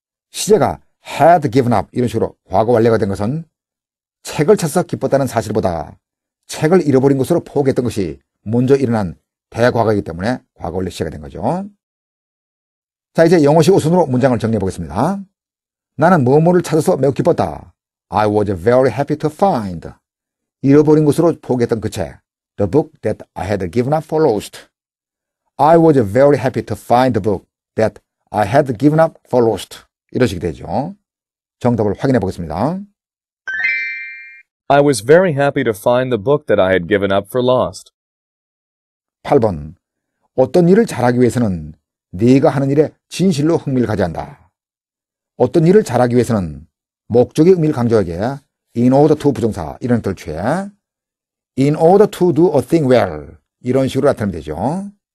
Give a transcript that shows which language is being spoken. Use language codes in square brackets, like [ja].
[ko] 시제가 [en] had given up [ko] 이런 식으로 과거 완료가 된 것은 책을 찾아서 기뻤다는 사실보다 책을 잃어버린 것으로 포기했던 것이 먼저 일어난 대과거이기 때문에 과거 완료 시제가 된 거죠. 자, 이제 영어식 우선으로 문장을 정리해 보겠습니다. 나는 뭐뭐를 찾아서 매우 기뻤다. [en] I was very happy to find. [ko] 잃어버린 것으로 포기했던 그 책. [en] The book that I had given up for lost. I was very happy to find the book that I had given up for lost. [ko] 이런 식이 되죠. 정답을 확인해 보겠습니다. [en] I was very happy to find the book that I had given up for lost. [ko] 8번. 어떤 일을 잘하기 위해서는 네가 하는 일에 진실로 흥미를 가져야 한다. 어떤 일을 잘하기 위해서는 목적의 의미를 강조하게 in order to 부정사 이런 뜻을 취해 [en] in order to do a thing well [ko] 이런 식으로 나타내면 되죠.